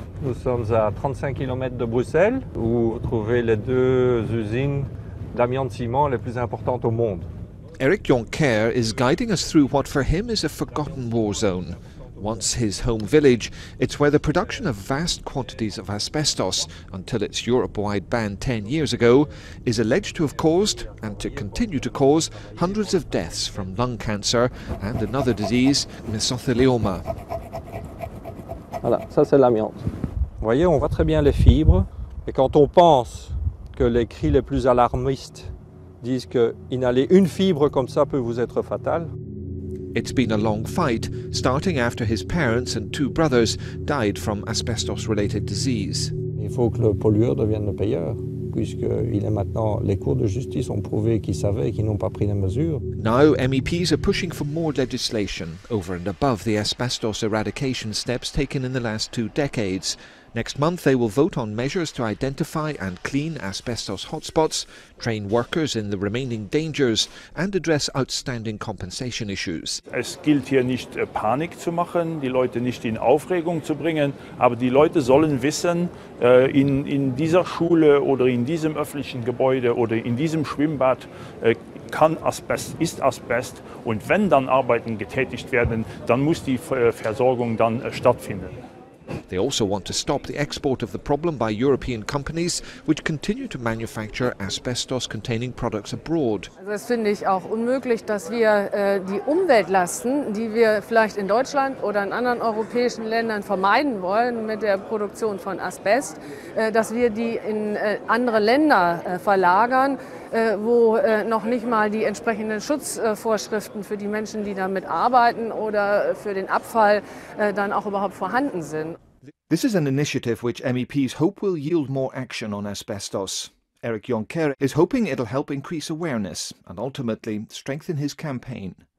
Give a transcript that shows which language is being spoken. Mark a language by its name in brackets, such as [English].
[French] Nous sommes à 35 km de Bruxelles, où vous trouvez les deux usines d'amiante ciment les plus importantes au monde. [English] Eric Jonker is guiding us through what for him is a forgotten war zone. Once his home village, it's where the production of vast quantities of asbestos, until its Europe-wide ban 10 years ago, is alleged to have caused, and to continue to cause, hundreds of deaths from lung cancer and another disease, mesothelioma. [French] Voilà, ça c'est l'amiante. Vous voyez, on voit très bien les fibres. Et quand on pense que les cris les plus alarmistes disent que inhaler une fibre comme ça peut vous être fatal. [English] It's been a long fight, starting after his parents and two brothers died from asbestos-related disease. [French] Il faut que le pollueur devienne le payeur, puisqu'il est maintenant, les cours de justice ont prouvé qu'ils savaient et qu'ils n'ont pas pris les mesures. [English] Now, MEPs are pushing for more legislation, over and above the asbestos eradication steps taken in the last two decades. Next month, they will vote on measures to identify and clean asbestos hotspots, train workers in the remaining dangers, and address outstanding compensation issues. [German] Es gilt hier nicht Panik zu machen, die Leute nicht in Aufregung zu bringen, aber die Leute sollen wissen, in dieser Schule oder in diesem öffentlichen Gebäude oder in diesem Schwimmbad kann Asbest, ist Asbest, und wenn dann Arbeiten getätigt werden, dann muss die Versorgung dann stattfinden. [English] They also want to stop the export of the problem by European companies, which continue to manufacture asbestos-containing products abroad. [German] Das finde ich auch unmöglich, dass wir die Umweltlasten, die wir vielleicht in Deutschland oder in anderen europäischen Ländern vermeiden wollen mit der Produktion von Asbest, dass wir die in andere Länder verlagern, wo noch nicht mal die entsprechenden Schutzvorschriften für die Menschen, die damit arbeiten oder für den Abfall dann auch überhaupt vorhanden sind. [English] This is an initiative which MEPs hope will yield more action on asbestos. Eric Jonker is hoping it'll help increase awareness and ultimately strengthen his campaign.